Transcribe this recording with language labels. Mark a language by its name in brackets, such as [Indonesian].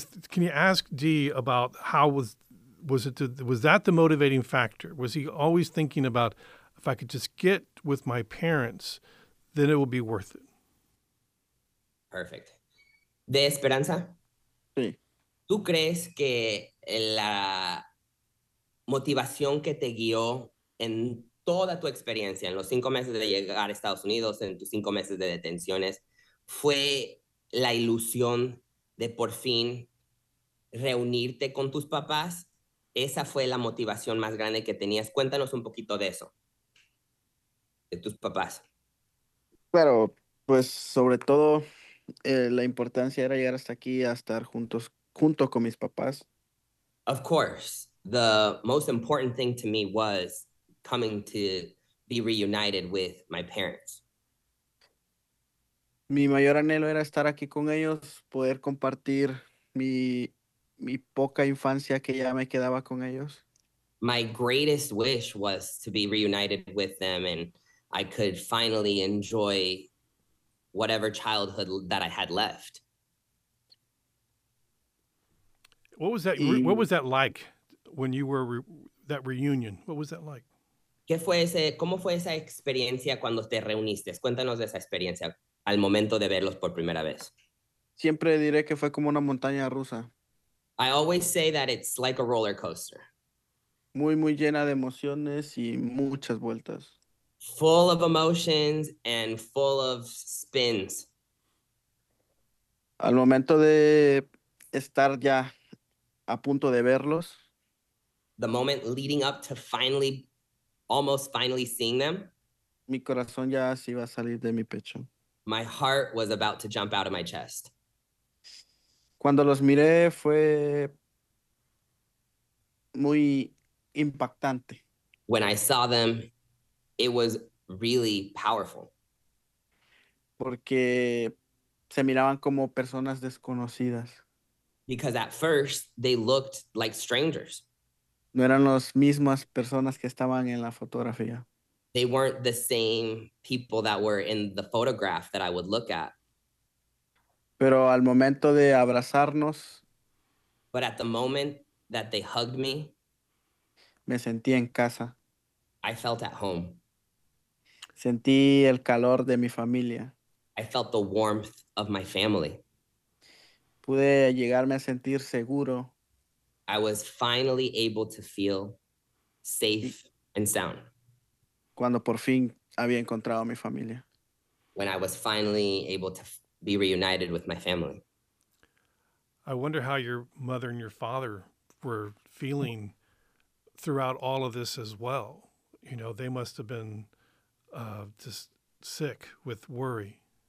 [English] Can you ask D about how was that the motivating factor? Was he always thinking about, if I could just get with my parents, then it would be worth it? Perfect. De Esperanza, [Spanish] sí. ¿Tú crees que la motivación que te guió en toda tu experiencia, en los 5 meses de llegar a Estados Unidos, en tus 5 meses de detenciones, fue la ilusión de por fin reunirte con tus papás? ¿Esa fue la motivación más grande que tenías? Cuéntanos un poquito de eso, de tus papás. Claro, pues sobre todo la importancia era llegar hasta aquí a estar juntos, junto con mis papás. [English] Of course. The most important thing to me was coming to be reunited with my parents. [Spanish] Mi mayor anhelo era estar aquí con ellos, poder compartir mi poca infancia que ya me quedaba con ellos. [English] My greatest wish was to be reunited with them and I could finally enjoy whatever childhood that I had left. What was that like? When you were that reunion, what was that like? [Spanish] ¿Qué fue ese? ¿Cómo fue esa experiencia cuando te reuniste? Cuéntanos de esa experiencia al momento de verlos por primera vez. Siempre diré que fue como una montaña rusa. [English] I always say that it's like a roller coaster. [Spanish] Muy, muy llena de emociones y muchas vueltas. [English] Full of emotions and full of spins. [Spanish] Al momento de estar ya a punto de verlos. [English] the moment leading up to finally, almost finally seeing them. [Spanish] Mi corazón ya se iba a salir de mi pecho. [English] My heart was about to jump out of my chest. [Spanish] Cuando los miré fue muy impactante. [English] When I saw them, it was really powerful. [Spanish] Porque se miraban como personas desconocidas. [English] Because at first, they looked like strangers. [Spanish] No eran las mismas personas que estaban en la fotografía. [English] They weren't the same people that were in the photograph that I would look at. [Spanish] Pero al momento de abrazarnos, [English] but at the moment that they hugged me, [Spanish] me sentí en casa. [English] I felt at home. [Spanish] Sentí el calor de mi familia. [English] I felt the warmth of my family. [Spanish] Pude llegarme a sentir seguro. [English] I was finally able to feel safe and sound. [Spanish] Cuando por fin había encontrado a mi familia. [English] When I was finally able to be reunited with my family. I wonder how your mother and your father were feeling throughout all of this as well. You know, they must have been just sick with worry.